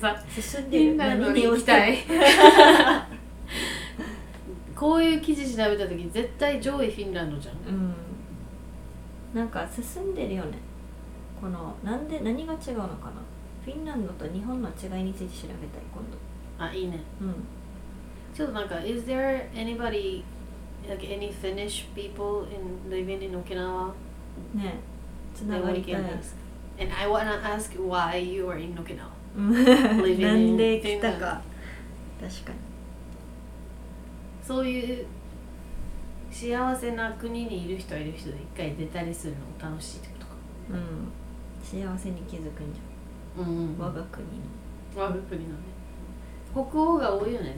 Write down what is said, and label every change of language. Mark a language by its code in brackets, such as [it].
[ja] さ、フィンランドに行きたいこういう記事調べた時絶対上位フィンランドじゃん。うん、なんか進んでるよね。このなんで何が違うのかな。フィンランドと日本の違いについて調べたい今度。あ、いいね。うん、 [en] ちょっとなんか Is there anybody like any Finnish people in living in Okinawa? [ja] ね、つながりたい。 [en] And I wanna ask why you are in Okinawa living in Finland. [ja] なんで来たか。確かに。そういう幸せな国にいる人はいる人で一回出たりするのも楽しいってことか。うん、幸せに気づくんじゃん。うん、我が国の、我が国のね、北欧が多いよね。